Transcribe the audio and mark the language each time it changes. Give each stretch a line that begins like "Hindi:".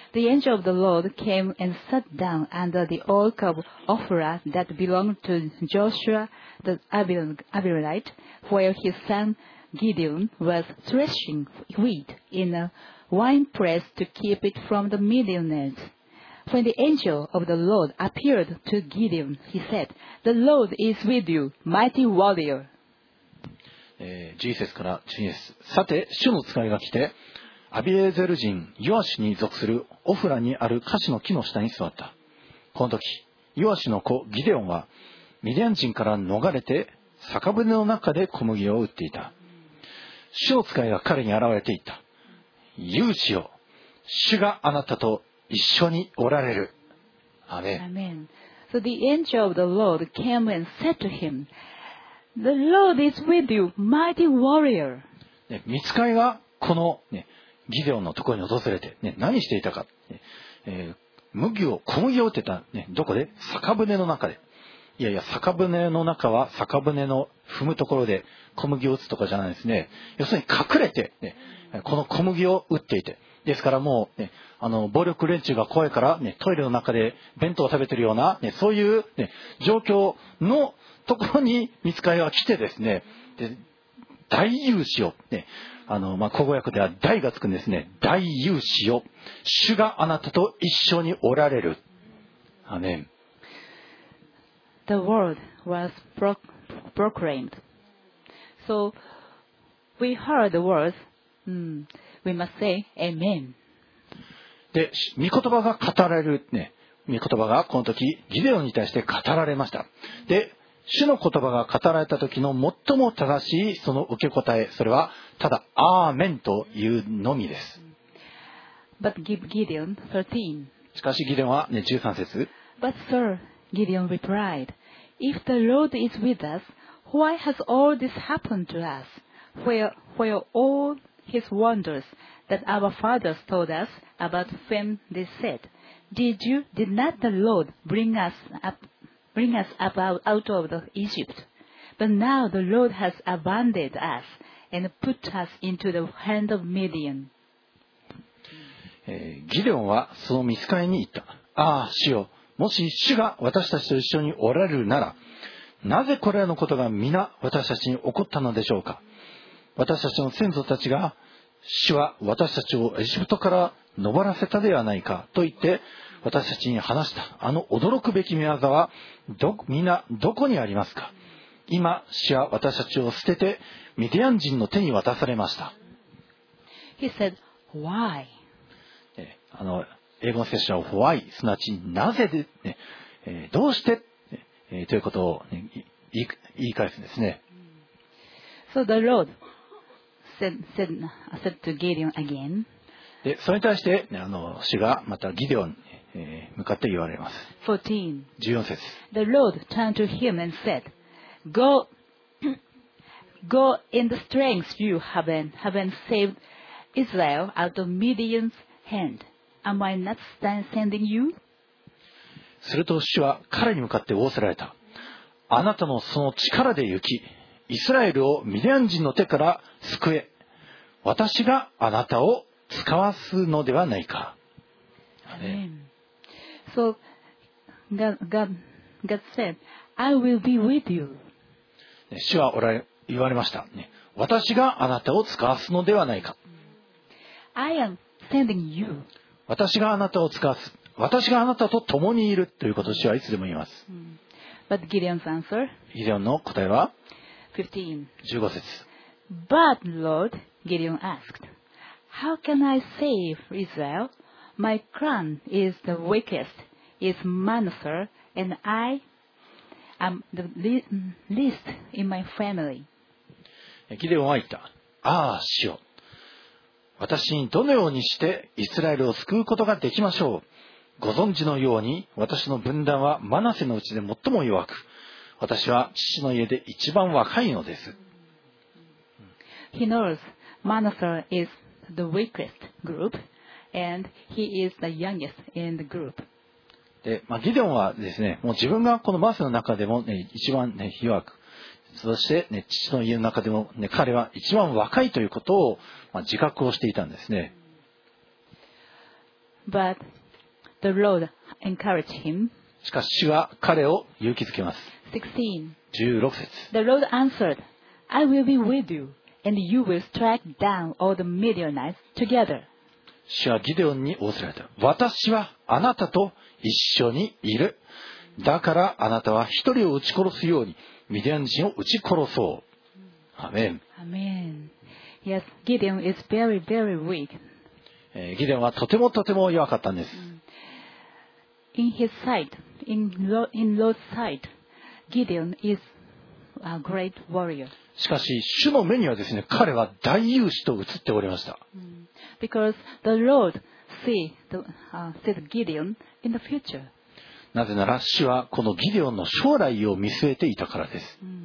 English: The angel of the Lord came and sat down under the oak of Ophrah that belonged to Joshua the Abiramite, where his son Gideon was threshing wheat in a wine press to keep it from the Midianites. When the angel of the Lord appeared to Gideon, he said, "The Lord is with you, mighty warrior."
Japanese: 11節から12節。さて、主の使いが来て、アビエゼル人ヨアシに属するオフラにあるカシの木の下に座った。この時、ヨアシの子ギデオンはミディアン人から逃れて酒舟の中で小麦を売っていた。主の使いが彼に現れていった。勇士よ、主があなたと一緒におられる。アメン。
English: Amen. So the angel of the Lord came and said to him. The Lord is with you, mighty warrior.
Japanese: 御使いがこの、ね、ギデオンのところに訪れて、ね、何していたか、小麦を打ってた、ね、どこで酒舟の中で。いやいや、酒舟の中は酒舟の踏むところで小麦を打つとかじゃないですね。要するに隠れて、ね、この小麦を打っていて。ですからもう、ね、あの暴力連中が怖いから、ね、トイレの中で弁当を食べているような、ね、そういう、ね、状況のところに御使いが来てですね、で大勇士を、ね、あのまあ、口語訳では大がつくんですね、大勇士を、主があなたと一緒におられる。アメン。
English: The word was proclaimed. So we heard the words, we must say Amen.
Japanese: で、御言葉が語られる、ね、御言葉がこの時ギデオンに対して語られました。で、主の言葉が語られた時の最も正しいその受け答え、それはただアーメンというのみです。
English: But give Gideon 13.
Japanese: しかしギデオンは、ね、13節。
English: But sir, Gideon replied, If the Lord is with us, why has all this happened to us? Where all his wonders that our fathers told us about when they said, Did not the Lord bring us up out of the Egypt. But now the Lord has abandoned us and put us into the hand of Midian.
Japanese: ギデオンはその見つかりに言った。ああ、主よ、もし主が私たちと一緒におられるなら、なぜこれらのことが皆私たちに起こったのでしょうか。私たちの先祖たちが、主は私たちをエジプトから逃らせたではないかと言って、私たちに話したあの驚くべき御業はみんなどこにありますか。今主は私たちを捨ててミディアン人の手に渡されました。
English: He said, Why?
Japanese: あの英語の聖書は
English: Why?
Japanese: すなわちなぜで、ね、どうして、ということを、ね、言い返すんですね。
English: So the Lord said to Gideon again.
Japanese: でそれに対して、ね、あの主がまたギデオン向かって言われます。 14節。
English: The Lord turned to him and said, Go in the strength you have saved Israel out of Midian's hand. Am I not sending you?
Japanese: すると主は彼に向かって仰せられた。あなたのその力で行き、イスラエルをミディアン人の手から救え。私があなたを使わすのではないか。
English: Amen. So, God said, I will be with you.
Japanese: 主は言われました。私があなたを使わすのではないか。
English: I am sending you.
Japanese: 私があなたを使わす。私があなたと共にいるということを主はいつでも言います。
English: But Gideon's answer.
Japanese: ギデオンの答えは 15 節。
English: But Lord, Gideon asked, How can I save Israel? My clan is the weakest, is Manasseh, and I am the least in my family.
Japanese: ギデオンは言った。ああ、主よ。私にどのようにしてイスラエルを救うことができましょう。ご存知のように、私の分断はマナセのうちで最も弱く、私は父の家で一番若いのです。
English: He knows Manasseh is the weakest group, and he is the youngest in the group.
Japanese: で、まあ、ギデオンはですね、もう自分がこのマナセの中でも、ね、一番、ね、弱く、そして、ね、父の家の中でも、ね、彼は一番若いということを、まあ、自覚をしていたんですね。
English: But the Lord encouraged him.
Japanese: しかし主は彼を勇気づけます。 16節。
English: The Lord answered, I will be with you. And you will strike down all the Midianites together.
Japanese: 主はギデオンに仰せられた。私はあなたと一緒にいる。だからあなたは一人を撃ち殺すようにミディアン人を撃ち殺そう。アメン。アメン。
English: Yes, Gideon is very, very weak.
Japanese: ギデオンはとてもとても弱かったんです。
English: In his sight, in Lord's sight, Gideon is a great warrior.
Japanese: しかし主の目にはですね、彼は大勇士と映っておりました。
English: Because the Lord sees Gideon in the future.
Japanese: なぜなら主はこのギデオンの将来を見据えていたからです。